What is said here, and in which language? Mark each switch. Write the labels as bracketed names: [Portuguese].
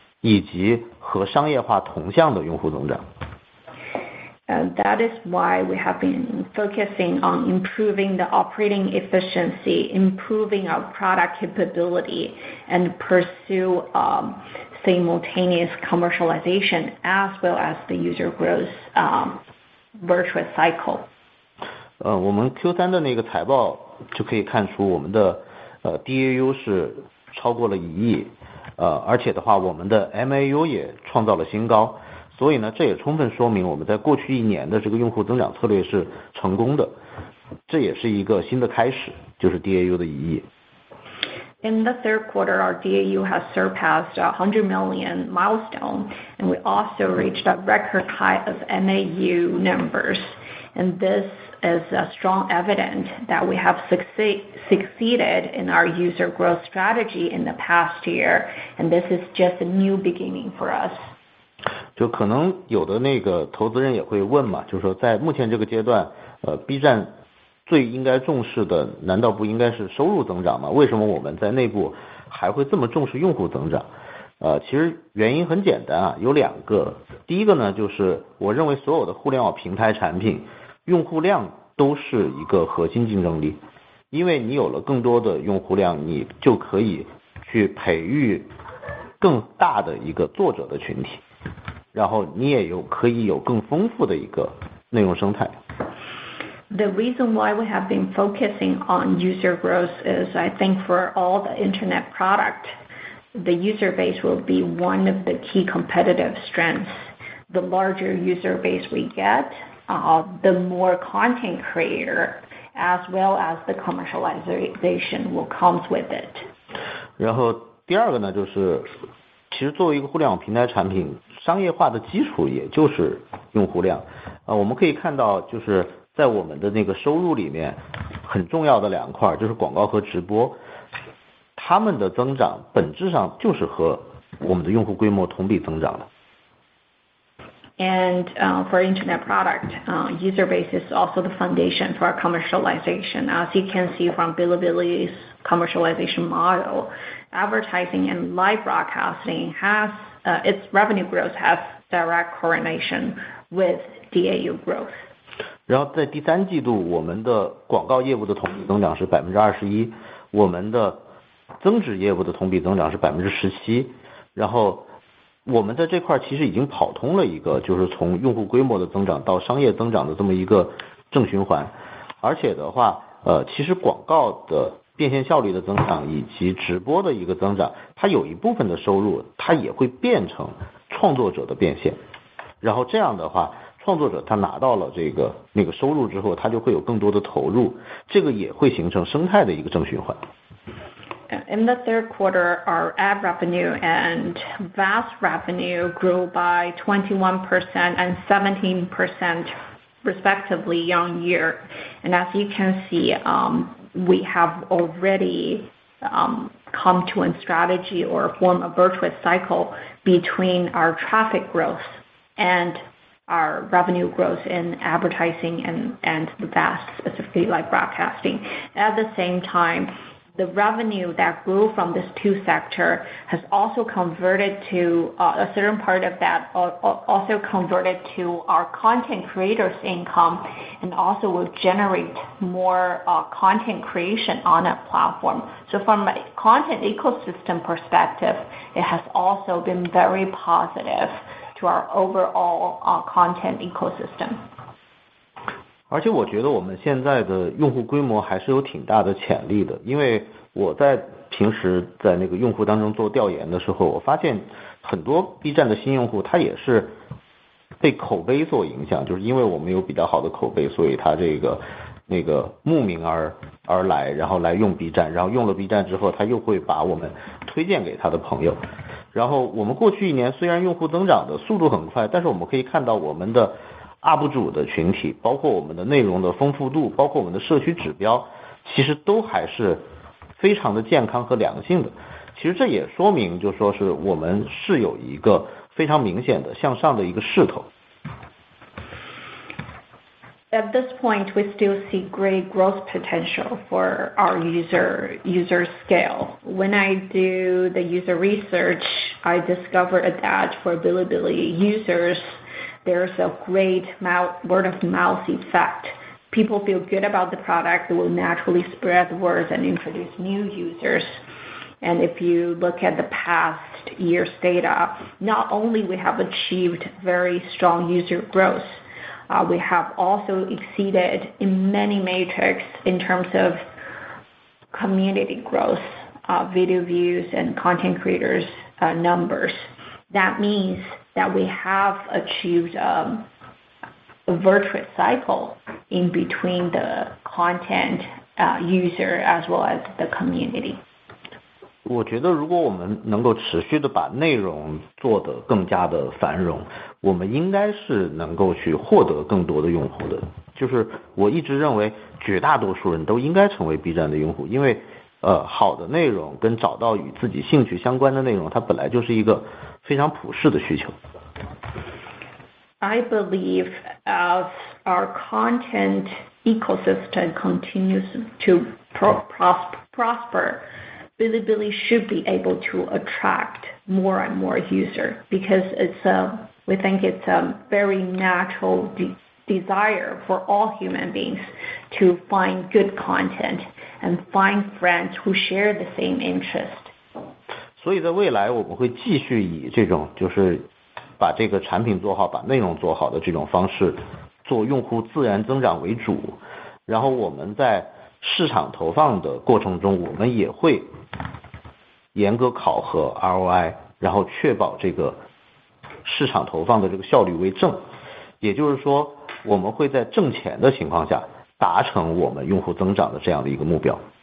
[Chinese] 对，我们主要还是通过产品能力的提升，通过运营效率的提升，以及更加发挥我们自身社区的优势，来追求更高质量的DAU的增长，以及和商业化同向的用户增长。 [English] That is why we have been focusing on improving the operating efficiency, improving our product capability, and pursue simultaneous commercialization as well as the user growth virtuous cycle. [Chinese] 我们 Q3的那个财报就可以看出，我们的DAU 是超过了1亿，而且的话，我们的 MAU 也创造了新高。所以呢，这也充分说明我们在过去一年的这个用户增长策略是成功的，这也是一个新的开始，就是 DAU 的意义。 [English] In the third quarter, our DAU has surpassed 100 million milestone, and we also reached a record high of MAU numbers. And this is a strong evidence that we have succeeded in our user growth strategy in the past year, and this is just a new beginning for us. [Chinese] 就可能有的那个投资人也会问嘛，就是说在目前这个阶段，B 站最应该重视的难道不应该是收入增长吗？为什么我们在内部还会这么重视用户增长？其实原因很简单啊，有两个。第一个呢，就是我认为所有的互联网平台产品用户量都是一个核心竞争力，因为你有了更多的用户量，你就可以去培育更大的一个作者的群体，然后你也有可以有更丰富的一个内容生态。 [English] The reason why we have been focusing on user growth is, I think, for all the internet product, the user base will be one of the key competitive strengths. The larger user base we get, the more content creator, as well as the commercialization will come with it. [Chinese] 然后第二个呢，就是其实作为一个互联网平台产品，商业化的基础也就是用户量。我们可以看到就是在我们的那个收入里面很重要的两块，就是广告和直播，他们的增长本质上就是和我们的用户规模同比增长的。 [English] And for internet product, user base is also the foundation for our commercialization. As you can see from Bilibili's commercialization model, advertising and live broadcasting has, its revenue growth has direct correlation with DAU growth. [Chinese] 然后在第三季度，我们的广告业务的同比增长是21%，我们的增值业务的同比增长是17%，然后我们在这块其实已经跑通了一个就是从用户规模的增长到商业增长的这么一个正循环。而且的话，其实广告的变现效率的增长以及直播的一个增长，它有一部分的收入它也会变成创作者的变现，然后这样的话创作者他拿到了这个那个收入之后，他就会有更多的投入，这个也会形成生态的一个正循环。 [English] In the third quarter, our ad revenue and VAS revenue grew by 21% and 17% respectively on year. And as you can see, we have already come to a strategy or form a virtuous cycle between our traffic growth and our revenue growth in advertising and the VAS, specifically like broadcasting. At the same time,the revenue that grew from this two sector has also converted to a certain part of that also converted to our content creators' income, and also will generate more content creation on a platform. So from a content ecosystem perspective, it has also been very positive to our overall content ecosystem. [Chinese] 而且我觉得我们现在的用户规模还是有挺大的潜力的，因为我在平时在那个用户当中做调研的时候，我发现很多 B 站的新用户他也是被口碑所影响，就是因为我们有比较好的口碑，所以他这个那个慕名而来，然后来用 B 站，然后用了 B 站之后他又会把我们推荐给他的朋友。然后我们过去一年虽然用户增长的速度很快，但是我们可以看到我们的UP 主的群体，包括我们的内容的丰富度，包括我们的社区指标，其实都还是非常的健康和良性的。其实这也说明就是说是我们是有一个非常明显的向上的一个势头。 [English] At this point, we still see great growth potential for our user scale. When I do the user research, I discovered that for Bilibili users,there's a great word of mouth effect. People feel good about the product, they will naturally spread the words and introduce new users. And if you look at the past year's data, not only we have achieved very strong user growth, we have also exceeded in many metrics in terms of community growth, video views and content creators numbers. That means that we have achieved a virtuous cycle in between the content user as well as the community. [Chinese] 我觉得如果我们能够持续地把内容做得更加的繁荣，我们应该是能够去获得更多的用户的。就是我一直认为绝大多数人都应该成为 B 站的用户，因为好的内容跟找到与自己兴趣相关的内容，它本来就是一个非常普世的需求。 [English] I believe as our content ecosystem continues to prosper, Bilibili should be able to attract more and more users because we think it's a very natural desire for all human beings to find good content and find friends who share the same interest. [Chinese] 所以在未来我们会继续以这种就是把这个产品做好把内容做好的这种方式做用户自然增长为主然后我们在市场投放的过程中我们也会严格考核 ROI 然后确保这个市场投放的这个效率为正也就是说我们会在挣钱的情况下达成我们用户增长的这样的一个目标